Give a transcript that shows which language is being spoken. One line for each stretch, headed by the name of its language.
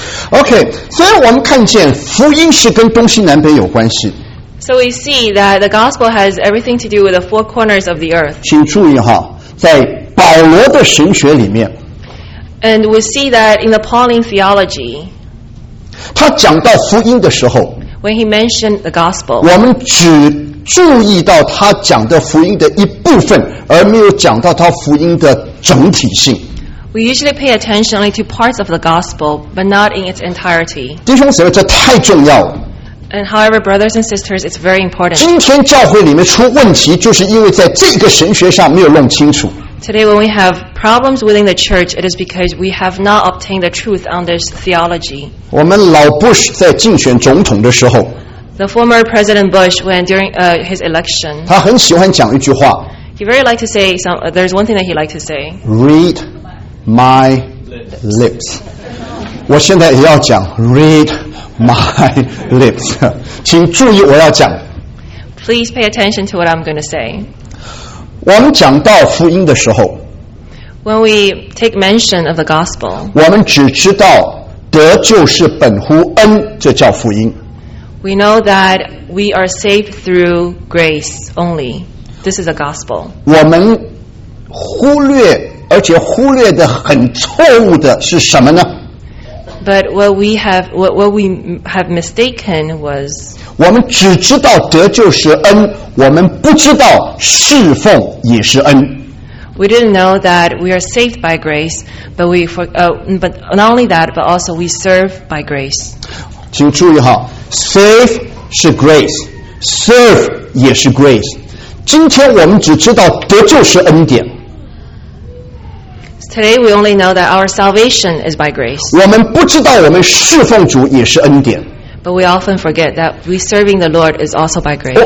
Chinese: Okay, 所以我们看见福音是跟东西南北有关系。
English: So we see that the gospel has everything to do with the four corners of the earth.
Chinese: 请注意哈。在保罗的神学里面
English: And we see that in the Pauline theology
Chinese: 他讲到福音的时候
English: When he mentioned the gospel
Chinese: 我们只注意到他讲的福音的一部分而没有讲到他福音的整体性
English: We usually pay attention only to parts of the gospel but not in its entirety
Chinese: 弟兄姊妹这太重要了
English: And however, brothers and sisters, it's very important.
Chinese: 今天教会里面出问题，就是因为在这个神学上没有弄清楚。
English: Today, when we have problems within the church, it is because we have not obtained the truth on this theology.
Chinese: 我们老 Bush 在竞选总统的时候
English: ，The former President Bush, when during his election,
Chinese: 他很喜欢讲一句话。
English: He very liked to say some. There's one thing that he liked to say. Read my lips.
Chinese: 我现在也要讲
English: read. My lips.
Chinese: 请注意我要讲。
English: Please pay attention to what I'm going to say.
Chinese: 我们讲到福音的时候
English: When we take mention of the gospel,
Chinese: 我们只知道得救是本乎恩，这叫福音。
English: We know that we are saved through grace only. This is a gospel.
Chinese: 我们忽略，而且忽略的很错误的是什么呢？
English: But what we have mistaken was
Chinese: 我们只知道得救是恩，我们不知道侍奉也是恩。
English: We didn't know that we are saved by grace, but we for, but not only that, but also we serve by grace.
Chinese: 请注意哈 ，save 是 grace, serve 也是 grace。今天我们只知道得救是恩典。
English: Today we only know that our salvation is by grace.
Chinese: 我们不知道我们侍奉主也是恩典。
English: But we often forget that we serving the Lord is also by grace.